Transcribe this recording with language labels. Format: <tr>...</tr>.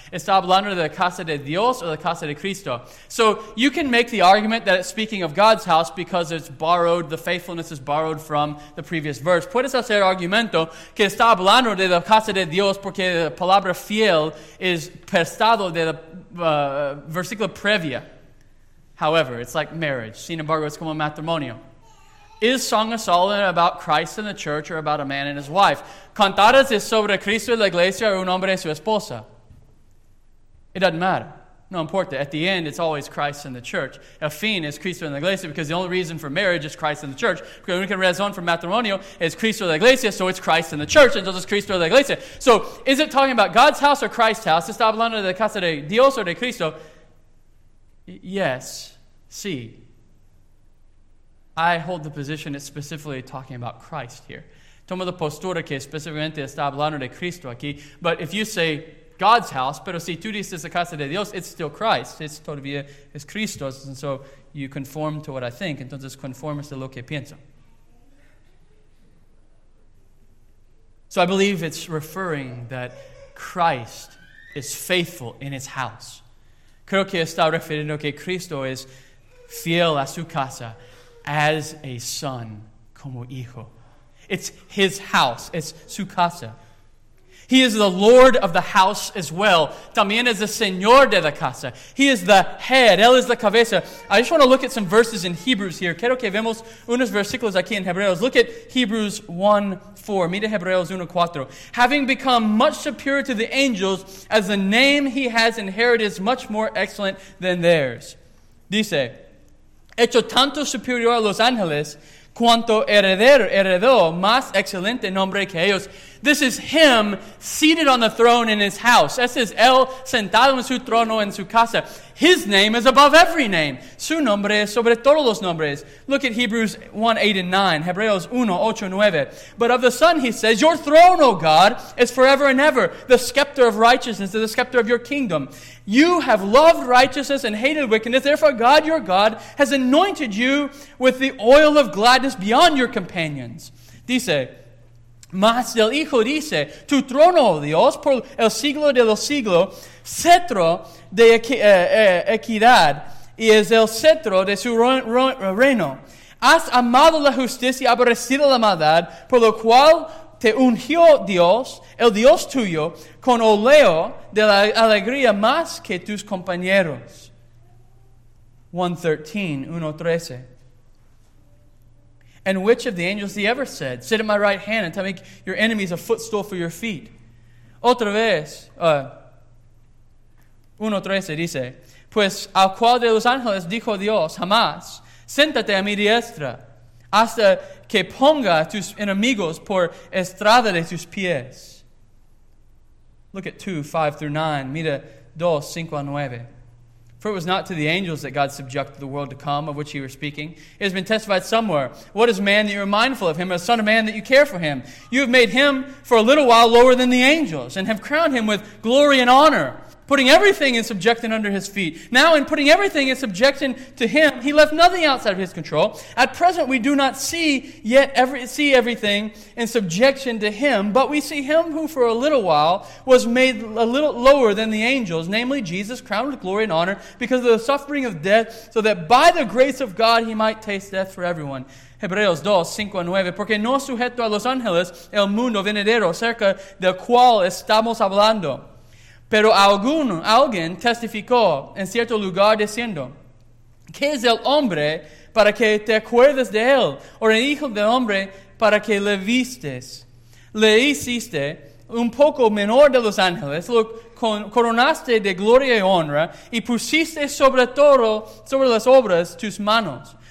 <es>¿Está hablando de la casa de Dios o la casa de Cristo?</es> <en>So you can make the argument that it's speaking of God's house because it's borrowed, the faithfulness is borrowed from the previous verse.</en> <es>Puedes hacer argumento que está hablando de la casa de Dios porque la palabra fiel es prestado de la versículo previa.</es> <en>However, it's like marriage.</en> <es>Sin embargo, es como matrimonio.</es> <en>Is Song of Solomon about Christ and the church or about a man and his wife?</en> <es>Cantadas es sobre Cristo y la iglesia o un hombre y su esposa.</es> <en>It doesn't matter.</en> <es>No importa.</es> <en>At the end, it's always Christ and the church.</en> <es>El fin es Cristo y la iglesia</es> <en>because the only reason for marriage is Christ and the church.</en> <es>Porque la única razón</es> <en>for</en> <es>matrimonio</es> <en>is</en> <es>Cristo y la iglesia,</es> <en>so it's Christ and the church.</en> <es>Entonces es Cristo y la iglesia.</es> <en>So, is it talking about God's house or Christ's house?</en> <es>¿Está hablando de la casa de Dios o de Cristo?</es> <en>Yes.</en> <es>Sí.</es> <en>I hold the position it's specifically talking about Christ here.</en> <es>Toma la postura que específicamente está hablando de Cristo aquí.</es> <en>But if you say God's house,</en> <es>pero si tú dices la casa de Dios,</es> <en>it's still Christ. It's</en> <es>todavía es Cristo.</es> <en>And so you conform to what I think.</en> <es>Entonces conformas a lo que pienso.</es> <en>So I believe it's referring that Christ is faithful in his house.</en> <es>Creo que está refiriendo que Cristo es fiel a su casa.</es> <en>As a son,</en> <es>como hijo.</es> <en>It's his house. It's</en> <es>su casa.</es> <en>He is the Lord of the house as well.</en> <es>También es el Señor de la casa.</es> <en>He is the head.</en> <es>Él es la cabeza.</es> <en>I just want to look at some verses in Hebrews here.</en> <es>Quiero que vemos unos versículos aquí en Hebreos.</es> <en>Look at Hebrews 1:4.</en> <es>Mira Hebreos 1:4.</es> <en>Having become much superior to the angels, as the name he has inherited is much more excellent than theirs.</en> <es>Dice, hecho tanto superior a los ángeles, cuanto heredó más excelente nombre que ellos.</es> <en>This is him seated on the throne in his house.</en> <es>Ese es él sentado en su trono en su casa.</es> <en>His name is above every name.</en> <es>Su nombre es sobre todos los nombres.</es> <en>Look at Hebrews 1:8-9. Hebreos 1:8-9. But of the Son, he says, your throne, O God, is forever and ever. The scepter of righteousness is the scepter of your kingdom. You have loved righteousness and hated wickedness. Therefore, God, your God, has anointed you with the oil of gladness beyond your companions.</en> <es>Dice, mas del Hijo dice, tu trono, Dios, por el siglo de los siglos, cetro de equidad, y es el cetro de su reino. Has amado la justicia y aborrecido la maldad, por lo cual te ungió Dios, el Dios tuyo, con óleo de la alegría más que tus compañeros. 1:13.</es> <en>And which of the angels he ever said, sit at my right hand until I make your enemies a footstool for your feet?</en> <es>Otra vez, 1:13 dice, pues al cual de los ángeles dijo Dios, jamás, siéntate a mi diestra, hasta que ponga a tus enemigos por estrada de tus pies.</es> <en>Look at 2:5-9,</en> <es>mira 2:5-9.</es> <en>For it was not to the angels that God subjected the world to come, of which he was speaking. It has been testified somewhere. What is man that you are mindful of him, or son of man that you care for him? You have made him for a little while lower than the angels, and have crowned him with glory and honor, putting everything in subjection under his feet. Now in putting everything in subjection to him, he left nothing outside of his control. At present we do not see yet see everything in subjection to him, but we see him who for a little while was made a little lower than the angels, namely Jesus, crowned with glory and honor because of the suffering of death, so that by the grace of God he might taste death for everyone.</en> <es>Hebreos 2:5-9. Porque no sujeto a los ángeles el mundo venidero cerca del cual estamos hablando. Pero alguien testificó en cierto lugar diciendo, ¿qué es el hombre para que te acuerdes de él? ¿O el hijo del hombre para que le vistes? Le hiciste un poco menor de los ángeles, lo coronaste de gloria y honra, y pusiste sobre todo, sobre las obras, tus manos.</es>